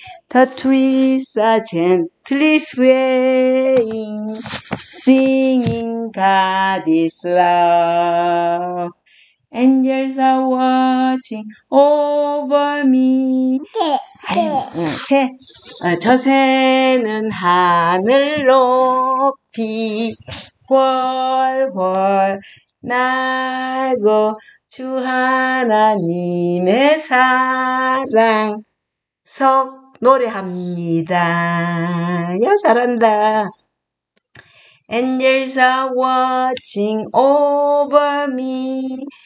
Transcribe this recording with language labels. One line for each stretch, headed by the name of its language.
English: The trees are gently swaying, singing God is love. Angels are watching over me.
Korean: 새. 저 새는 하늘 높이 월월 날고 주 하나님의 사랑 속 노래합니다. 야, 잘한다.
English: Angels are watching over me.